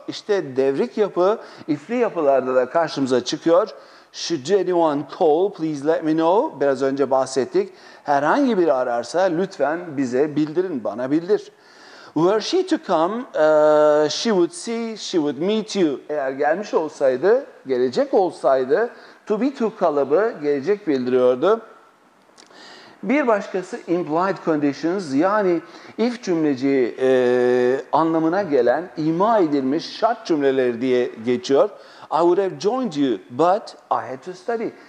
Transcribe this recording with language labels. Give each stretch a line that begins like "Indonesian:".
Turkish: İşte devrik yapı if'li yapılarda da karşımıza çıkıyor.
English: Should anyone call, please let me know.
Turkish: Biraz önce bahsettik. Herhangi biri ararsa lütfen bize bildirin, bana bildir.
English: Were she to come, she would see, she would meet you.
Turkish: Eğer gelmiş olsaydı, gelecek olsaydı, to be to kalıbı gelecek bildiriyordu. Bir başkası implied conditions, yani if cümleci anlamına gelen ima edilmiş şart cümleleri diye geçiyor.
English: I would have joined you, but I had to study.